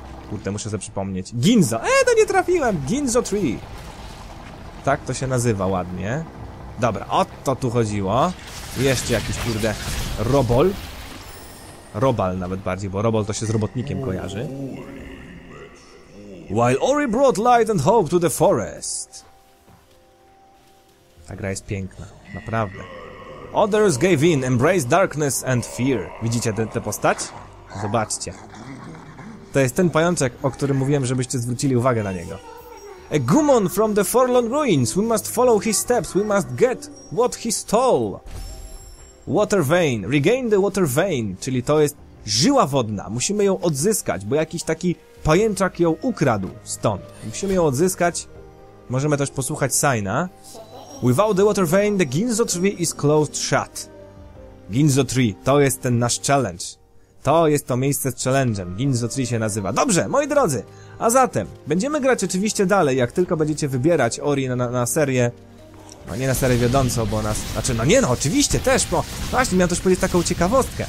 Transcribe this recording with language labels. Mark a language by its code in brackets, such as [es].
[pl] Kurde, muszę sobie przypomnieć. Ginzo, to nie trafiłem, Ginzo Tree. Tak to się nazywa ładnie. Dobra, o to tu chodziło. Jeszcze jakiś, kurde, robol. Robal nawet bardziej, bo robol to się z robotnikiem kojarzy. [en] While Ori brought light and hope to the forest. [pl] Ta gra jest piękna, naprawdę. [en] Others gave in, embraced darkness and fear. [pl] Widzicie tę postać? Zobaczcie. To jest ten pajączek, o którym mówiłem, żebyście zwrócili uwagę na niego. [en] A Gumon from the Forlorn Ruins. We must follow his steps. We must get what he stole. Water vein. Regain the water vein. [pl] Czyli to jest żyła wodna. Musimy ją odzyskać, bo jakiś taki pajęczak ją ukradł stąd. Musimy ją odzyskać. Możemy też posłuchać Saina. [en] Without the water vein, the Ginzo Tree is closed shut. Ginzo Tree. [pl] To jest ten nasz challenge. To jest to miejsce z challenge'em. Ginzo Tree się nazywa. Dobrze, moi drodzy. A zatem, będziemy grać oczywiście dalej, jak tylko będziecie wybierać Ori na serię. No nie na serię wiodącą, bo nas... Znaczy, no nie, no oczywiście też, bo... Właśnie, miałem też powiedzieć taką ciekawostkę.